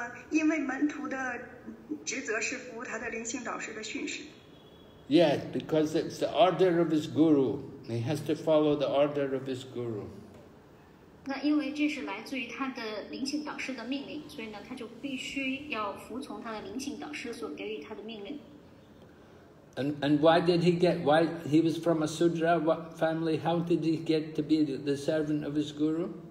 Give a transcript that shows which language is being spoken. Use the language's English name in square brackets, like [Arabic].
[Chinese] 因为门徒的职责是服务他的灵性导师的训示。Yes, [English] because it's the order of his guru. He has to follow the order of his guru. [Chinese] 那因为这是来自于他的灵性导师的命令，所以呢，他就必须要服从他的灵性导师所给予他的命令。And [English] why did he get? Why he was from a sudra family? How did he get to be the servant of his guru?